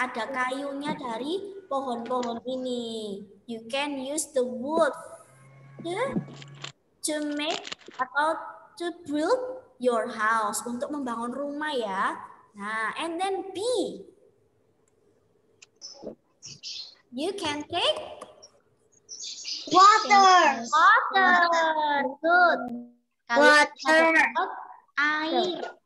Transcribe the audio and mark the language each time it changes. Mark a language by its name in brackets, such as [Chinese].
[Indonesian] Ada kayunya dari pohon-pohon ini. [English] You can use the wood to make atau to build your house. [Indonesian] Untuk membangun rumah ya. [English] Nah, and then B. You can take water. Water. Good. Water. [Indonesian] Air.